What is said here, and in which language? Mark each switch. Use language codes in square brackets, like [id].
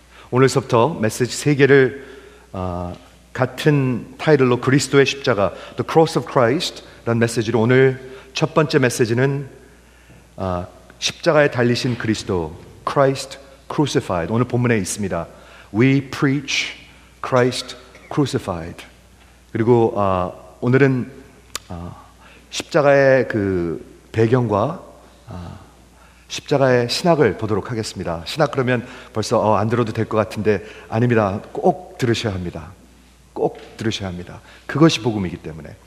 [ko] 오늘서부터 메시지 세 개를 같은 타이틀로 그리스도의 십자가, The Cross of Christ라는 메시지로 오늘 첫 번째 메시지는 십자가에 달리신 그리스도, Christ Crucified, 오늘 본문에 있습니다. [en] We preach Christ Crucified. [ko] 그리고 오늘은 십자가의 그 배경과 십자가의 신학을 보도록 하겠습니다. 신학 그러면 벌써 안 들어도 될 것 같은데 아닙니다. 꼭 들으셔야 합니다. 꼭 들으셔야 합니다. 그것이 복음이기 때문에.